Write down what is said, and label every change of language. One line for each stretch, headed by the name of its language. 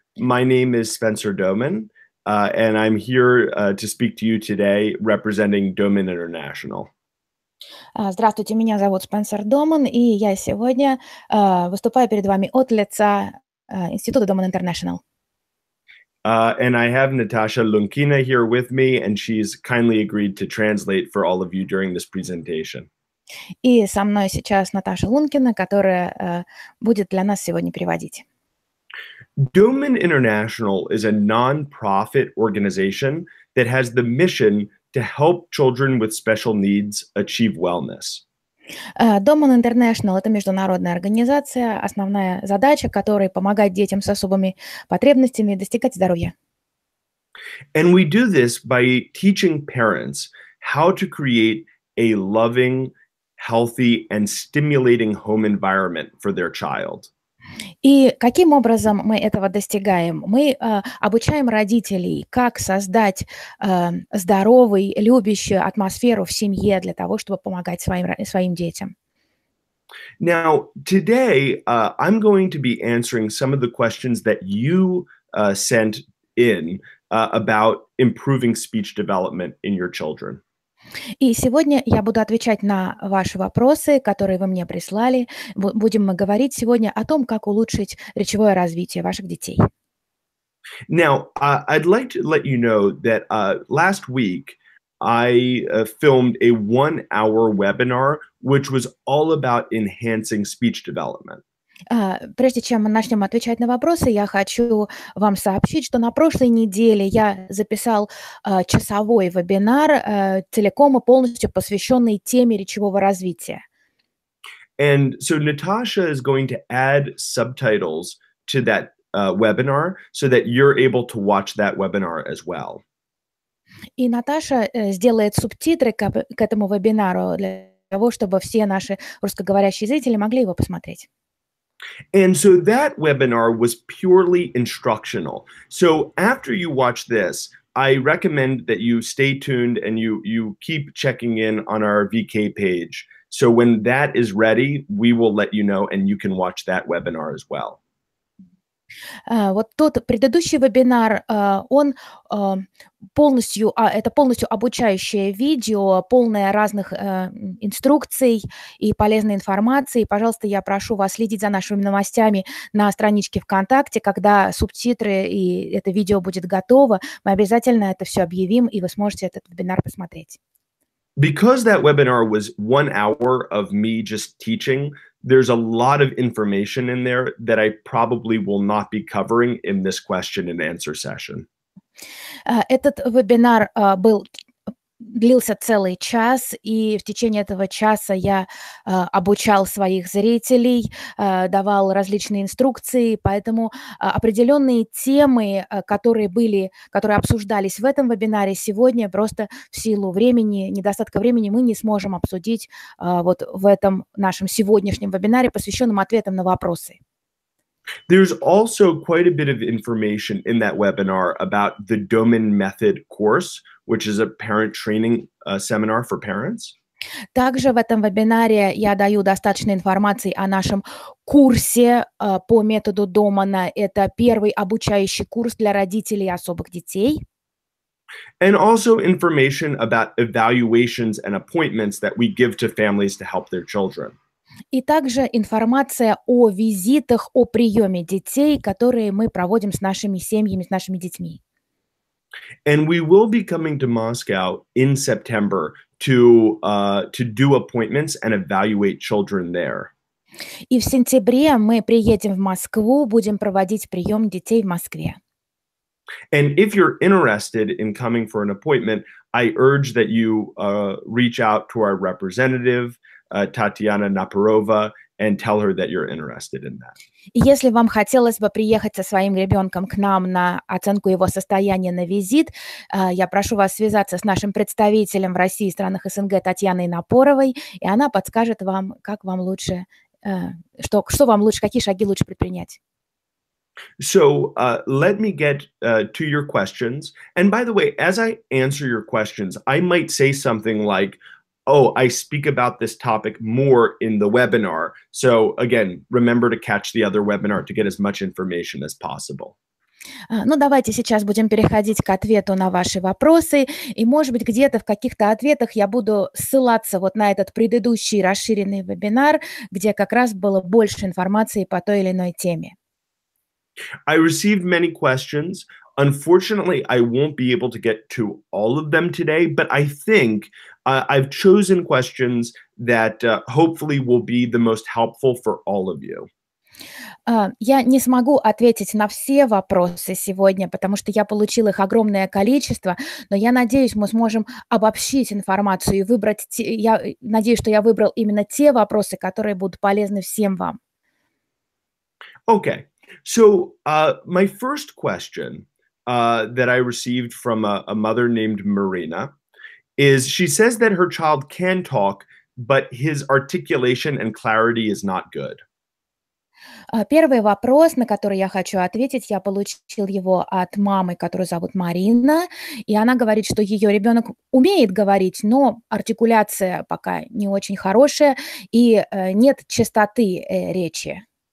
English: My name is Spencer Doman, and I'm here to speak to you today representing Doman International.
Russian: Здравствуйте, меня зовут Спенсер Доман, и я сегодня выступаю перед вами от лица Института Doman International.
English: And I have Natasha Lunkina here with me, and she's kindly agreed to translate for all of you during this presentation.
Russian: И со мной сейчас Наташа Лункина, которая будет для нас сегодня переводить.
English: Doman International is a non-profit organization that has the mission to help children with special needs achieve wellness.
Russian: Doman International — это международная организация, основная задача которой — помогать детям с особыми потребностями достигать здоровья.
English: And we do this by teaching parents how to create a loving, healthy, and stimulating home environment for their child.
Russian: И каким образом мы этого достигаем? Мы обучаем родителей, как создать здоровую, любящую атмосферу в семье для того, чтобы помогать своим детям.
English: Now, today I'm going to be answering some of the questions that you sent in about improving speech development in your children.
Russian: И сегодня я буду отвечать на ваши вопросы, которые вы мне прислали. Будем мы говорить сегодня о том, как улучшить речевое развитие ваших детей.
English: Now, I'd like to let you know that last week I filmed a one-hour webinar, which was all about enhancing speech development.
Russian: Прежде чем мы начнем отвечать на вопросы, я хочу вам сообщить, что на прошлой неделе я записал часовой вебинар, целиком и полностью посвященный теме речевого развития.
English: And so Natasha is going to add subtitles to that webinar so that you're able to watch that webinar as well.
Russian: И Наташа сделает субтитры к этому вебинару для того, чтобы все наши русскоговорящие зрители могли его посмотреть.
English: And so that webinar was purely instructional. So after you watch this, I recommend that you stay tuned and you keep checking in on our VK page. So when that is ready, we will let you know and you can watch that webinar as well.
Russian: Вот тот предыдущий вебинар, он полностью, это полностью обучающее видео, полное разных инструкций и полезной информации. Пожалуйста, я прошу вас следить за нашими новостями на страничке ВКонтакте, когда субтитры и это видео будет готово. Мы обязательно это все объявим, и вы сможете этот вебинар посмотреть.
English: Because that webinar was 1 hour of me just teaching, there's a lot of information in there that I probably will not be covering in this question and answer session.
Russian: Этот вебинар длился целый час, и в течение этого часа я обучал своих зрителей, давал различные инструкции, поэтому определенные темы, которые обсуждались в этом вебинаре сегодня, просто в силу времени, недостатка времени, мы не сможем обсудить вот в этом нашем сегодняшнем вебинаре, посвященном ответам на вопросы.
English: There's also quite a bit of information in that webinar about the Doman Method course, which is a parent training seminar for parents.
Russian: Также в этом вебинаре я даю достаточно информации о нашем курсе по методу Домана. Это первый обучающий курс для родителей особых детей.
English: And also information about evaluations and appointments that we give to families to help their children.
Russian: И также информация о визитах, о приеме детей, которые мы проводим с нашими семьями, с нашими детьми.
English: And we will be coming to Moscow in September to do appointments and evaluate children there.
Russian: И в сентябре мы приедем в Москву, будем проводить прием детей в Москве.
English: And if you're interested in coming for an appointment, I urge that you reach out to our representative, Татьяна Напорова, and tell her that you're interested in that.
Russian: Если вам хотелось бы приехать со своим ребенком к нам на оценку его состояния на визит, я прошу вас связаться с нашим представителем в России и странах СНГ Татьяной Напоровой, и она подскажет вам, как вам лучше, что вам лучше, какие шаги лучше предпринять.
English: So let me get to your questions. And by the way, as I answer your questions, I might say something like, oh, I speak about this topic more in the webinar. So again, remember to catch the other webinar to get as much information as possible.
Russian: Ну, давайте сейчас будем переходить к ответу на ваши вопросы. И, может быть, где-то в каких-то ответах я буду ссылаться вот на этот предыдущий расширенный вебинар, где как раз было больше информации по той или иной теме.
English: I received many questions. Unfortunately, I won't be able to get to all of them today, but I think I've chosen questions that hopefully will be the most helpful for all of you.
Russian: Я не смогу ответить на все вопросы сегодня, потому что я получил их огромное количество, но я надеюсь, мы сможем обобщить информацию и выбрать те, я надеюсь, что я выбрал именно те вопросы, которые будут полезны всем вам.
English: Okay. So, my first question that I received from a mother named Marina is she says that her child can talk, but his articulation and clarity is not good.
Russian: Первый вопрос, на который я хочу ответить, я получил его от мамы, которую зовут Марина, и она говорит, что ее ребенок умеет говорить, но артикуляция пока не очень хорошая, и нет частоты речи.